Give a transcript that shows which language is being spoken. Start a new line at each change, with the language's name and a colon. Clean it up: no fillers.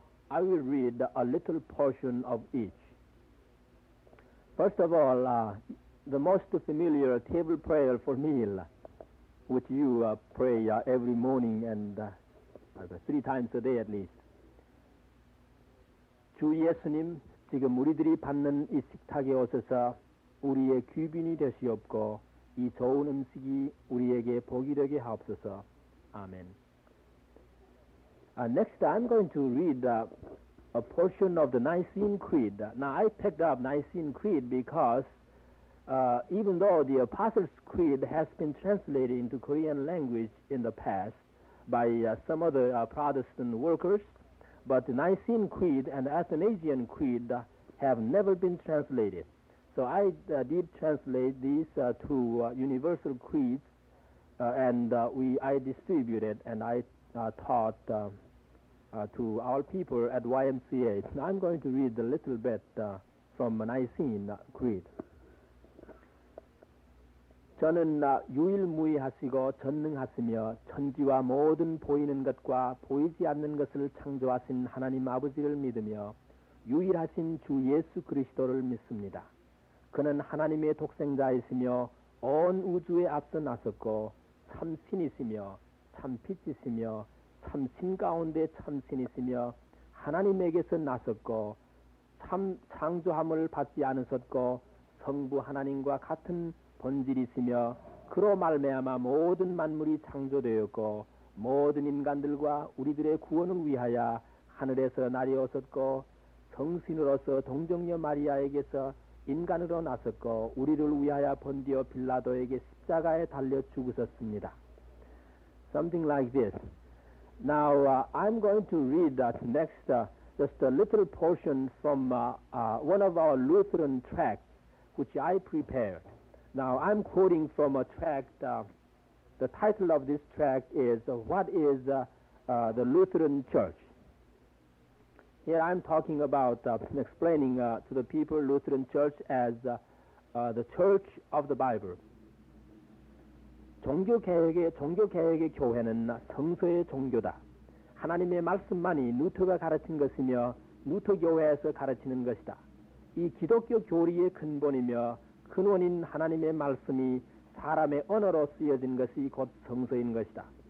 English: I will read a little portion of each. First of all, the most familiar table prayer for meal, which you pray every morning and three times a day at least.
Korean: 주 예수님, 지금 우리들이 받는 이 식탁에 오셔서 우리의 귀빈이 되시옵고 이 좋은 음식이 우리에게 복이 되게 하옵소서. 아멘.
English: Next, I'm going to read a portion of the Nicene Creed. Now, I picked up Nicene Creed because even though the Apostles' Creed has been translated into Korean language in the past by some other Protestant workers, but the Nicene Creed and Athanasian Creed have never been translated. So I did translate these two universal creeds, and I distributed and taught to our people at YMCA. Now I'm going to read a little bit from the Nicene Creed.
Korean: 저는 유일무이하시고 전능하시며 천지와 모든 보이는 것과 보이지 않는 것을 창조하신 하나님 아버지를 믿으며 유일하신 주 예수 그리스도를 믿습니다. 그는 하나님의 독생자이시며 온 우주에 앞서 나섰고 참신이시며 참빛이시며 참신 가운데 참신이시며 하나님에게서 나섰고 참 창조함을 받지 않으셨고 성부 하나님과 같은 본질이시며 그로 말미암아 모든 만물이 창조되었고 모든 인간들과 우리들의 구원을 위하여 하늘에서 내려오셨고 성신으로서 동정녀 마리아에게서 인간으로 나섰고 우리를 위하여 번디어 빌라도에게 십자가에 달려 죽으셨습니다.
English: Something like this. Now I'm going to read that next just a little portion from one of our Lutheran tracts which I prepared. Now I'm quoting from a tract. The title of this tract is What is the Lutheran Church. Here I'm talking about explaining to the people Lutheran Church as the Church of the Bible.
Korean: 종교개혁의 교회는 성서의 종교다. 하나님의 말씀만이 루터가 가르친 것이며 루터 교회에서 가르치는 것이다. 이 기독교 교리의 근본이며 근원인 하나님의 말씀이 사람의 언어로 쓰여진 것이 곧 성서인 것이다.